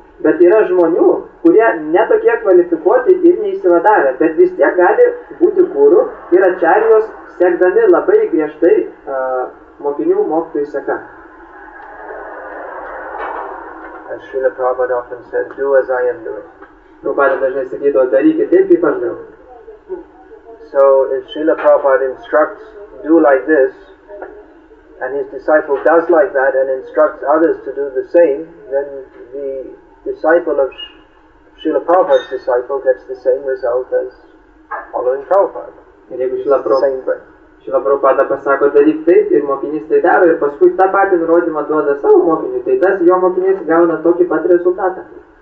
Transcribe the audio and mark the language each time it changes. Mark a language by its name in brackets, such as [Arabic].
[Lithuanian] Bet yra žmonių, kurie netokie kvalifikuoti ir neįsivadavę, bet vis tiek gali būti guru ir ačarijos sekdami labai griežtai mokinių mokytojų seka. [English] As Srila Prabhupada often said, do as I am doing. [Lithuanian] Prabhupada dažnai sakydavo, darykit taip, kaip aš darau. [English] So if Srila Prabhupada instructs, do like this, and his disciple does like that and instructs others to do the same, then the disciple of Srila Prabhupada's disciple gets the same result as following Prabhupada. [Lithuanian] Ir jeigu Srila Prabhupada pasako, daryk taip, ir mokinys tai daro, ir paskui tą patį nurodymą duoda savo mokiniui, tai tas jo mokinys gauna tokį pat rezultatą.